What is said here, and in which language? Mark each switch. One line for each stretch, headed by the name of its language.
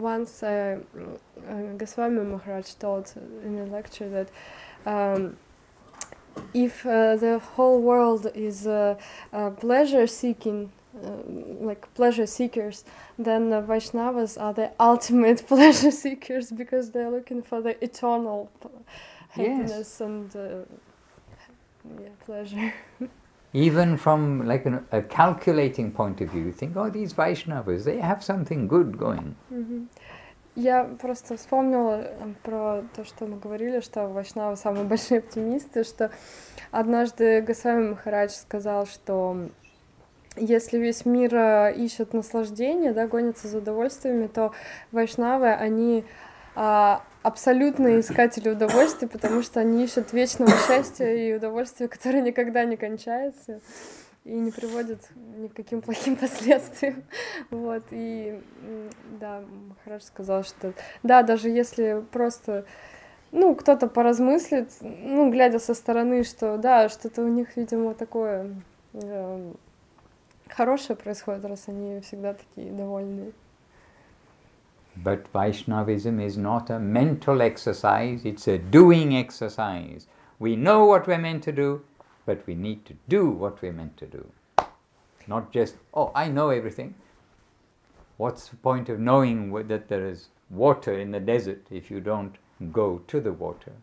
English: Once Goswami Maharaj told in a lecture that if the whole world is pleasure-seeking, like pleasure-seekers, then Vaishnavas are the ultimate pleasure-seekers because they're looking for the eternal happiness, yes, and pleasure. Even from like a calculating point of view, you think, oh, these Vaishnavas, they have something good going. Mm-hmm.
Russian: Я просто вспомнила про то, что мы говорили, что Вайшнавы самые большие оптимисты, что однажды Госвами Махарадж сказал, что если весь мир ищет наслаждение, да, гонится за удовольствиями, то Вайшнавы, они абсолютные искатели удовольствия, потому что они ищут вечного счастья и удовольствия, которое никогда не кончается и не приводит ни к каким плохим последствиям. Вот, и да, Махарадж сказал, что да, даже если просто, ну, кто-то поразмыслит, ну, глядя со стороны, что да, что-то у них, видимо, такое хорошее происходит, раз они всегда такие довольные.
English: But Vaishnavism is not a mental exercise, it's a doing exercise. We know what we're meant to do, but we need to do what we're meant to do. Not just, oh, I know everything. What's the point of knowing that there is water in the desert if you don't go to the water?